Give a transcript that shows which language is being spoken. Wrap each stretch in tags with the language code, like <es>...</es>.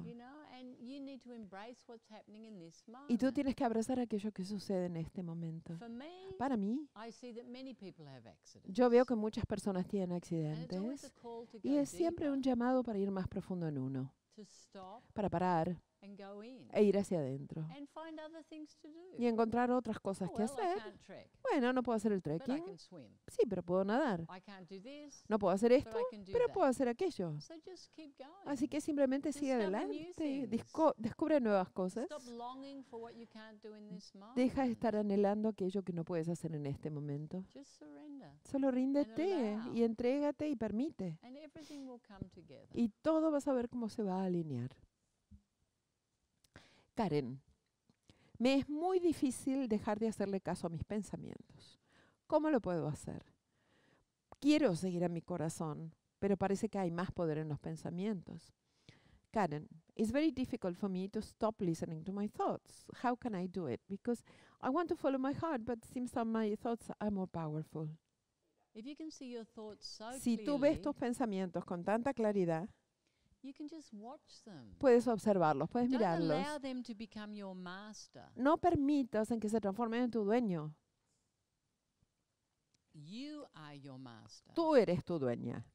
<en>You know, and you need to embrace what's happening in this moment.</en> <es>Y tú tienes que abrazar aquello que sucede en este momento.</es> <en>For me,</en> <es>para mí,</es> <en>I see that many people have accidents.</en> <es>Yo veo que muchas personas tienen accidentes.</es> <en>And it's always a call to go</en> <es>y es siempre</es> <en>deeper,</en> <es>un llamado para ir más profundo en uno.</es> <en>To stop,</en> <es>para parar</es> <en>and go in,</en> <es>e ir hacia adentro.</es> <en>And find other things to do.</en> <es>Y encontrar otras cosas oh, que</es> <en>well,</en> <es>hacer.</es> <en>I can't trek.</en> <es>Bueno, no puedo hacer el trekking.</es> <en>But I can swim.</en> <es>Sí, pero puedo nadar.</es> <en>I can't do this,</en> <es>no puedo hacer esto, pero puedo hacer aquello.</es> <en>So just keep going.</en> <es>Así que simplemente sigue adelante. Descubre nuevas cosas.</es> <en>Stop longing for what you can't do in this moment.</en> <es>Deja de estar anhelando aquello que no puedes hacer en este momento.</es> <en>Just surrender.</en> <es>Solo ríndete y entrégate y permite.</es> <en>And everything will come together.</en> <es>Y todo vas a ver cómo se va a alinear. Karen, me es muy difícil dejar de hacerle caso a mis pensamientos. ¿Cómo lo puedo hacer? Quiero seguir a mi corazón, pero parece que hay más poder en los pensamientos.</es> <en>Karen, it's very difficult for me to stop listening to my thoughts. How can I do it? Because I want to follow my heart, but it seems that my thoughts are more powerful. If you can see your thoughts so clearly,</en> <es>si tú ves tus pensamientos con tanta claridad,</es> <en>you can just watch them.</en> <es>Puedes observarlos, puedes</es> <en>don't</en> <es>mirarlos.</es> <en>Allow them to become your master.</en> <es>No permitas en que se transformen en tu dueño.</es> <en>You are your master.</en> <es>Tú eres tu dueña.</es>